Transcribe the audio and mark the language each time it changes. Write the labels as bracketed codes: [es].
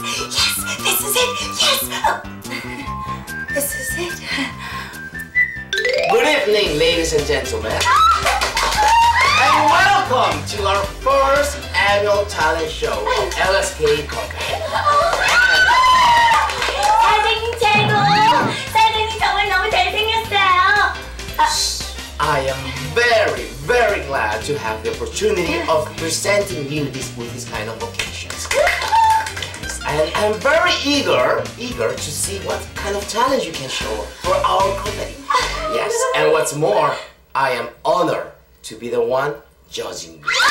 [en] Yes, this is it. Yes. Oh. This is it. Good evening, ladies and gentlemen. And welcome to our first annual talent show of LSK Company. [ko] 사장님 최고. 사장님 정말 너무 잘생겼어요. [en] I am very, very glad to have the opportunity of presenting you this, with this kind of occasions. Yes, and I'm very eager to see what kind of talent you can show for our company. Yes, and what's more, I am honored to be the one judging you.